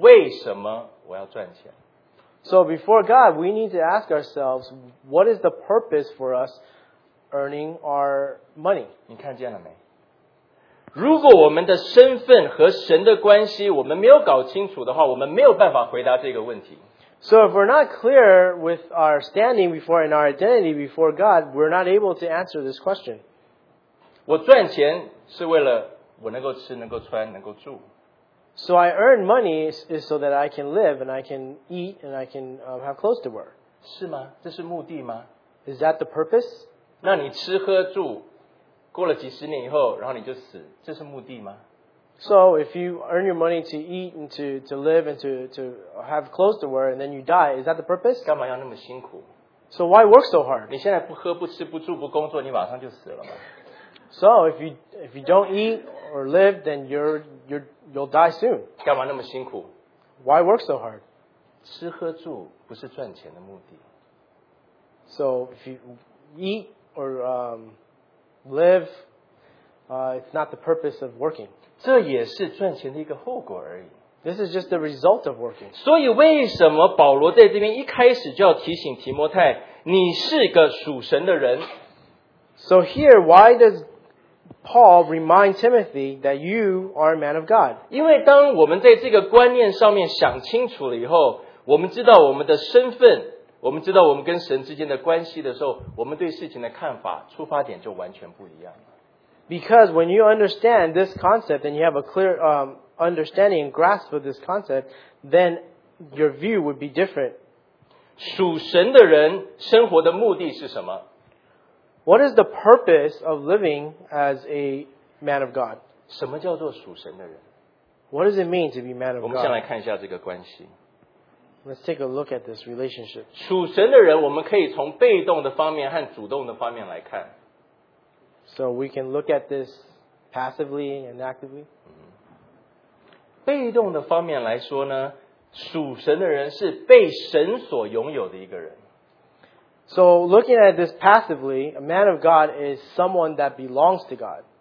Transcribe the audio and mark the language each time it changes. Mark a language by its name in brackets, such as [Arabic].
[Chinese] 我们生活的目的是在神的面前，我们属神的人，我们在神的面前，我们要问为什么我要赚钱。So [English] before God, we need to ask ourselves, what is the purpose for us earning our money? [Chinese] 你看见了没？如果我们的身份和神的关系我们没有搞清楚的话，我们没有办法回答这个问题。 [English] So if we're not clear with our standing before and our identity before God, we're not able to answer this question. [Chinese] 我赚钱是为了我能够吃、能够穿、能够住。 [English] So I earn money is so that I can live and I can eat and I can have clothes to wear. [Chinese] 是吗？这是目的吗？ [English] Is that the purpose? [Chinese] 那你吃喝住 过了几十年以后，然后你就死，这是目的吗？ [English] So if you earn your money to eat and to live and to have clothes to wear and then you die, is that the purpose? [Chinese] 干嘛要那么辛苦？ [English] So why work so hard? [Chinese] 你现在不喝不吃不住不工作，你马上就死了吗？ [English] So if you don't eat or live, then you'll die soon. [Chinese] 干嘛那么辛苦? [English] Why work so hard? [Chinese] 吃喝住不是赚钱的目的。 [English] So if you eat or live, it's not the purpose of working. [Chinese] 这也是赚钱的一个后果而已。 [English] This is just the result of working. [Chinese] 所以为什么保罗在这边一开始就要提醒提摩太，你是个属神的人？ [English] So here, why does Paul remind Timothy that you are a man of God? [Chinese] 因为当我们在这个观念上面想清楚了以后，我们知道我们的身份，我们知道我们跟神之间的关系的时候，我们对事情的看法，出发点就完全不一样了。 [English] Because when you understand this concept and you have a clear understanding and grasp of this concept, then your view would be different. [Chinese] 属神的人生活的目的是什么? [English] What is the purpose of living as a man of God? [Chinese] 什么叫做属神的人? [English] What does it mean to be man of God? [Chinese] 我们先来看一下这个关系。 [English] Let's take a look at this relationship. [Chinese] 属神的人我们可以从被动的方面和主动的方面来看。 [English] So we can look at this passively and actively. [Chinese] 被动的方面来说呢，属神的人是被神所拥有的一个人。 [English] So looking at this passively, a man of God is someone that belongs to God.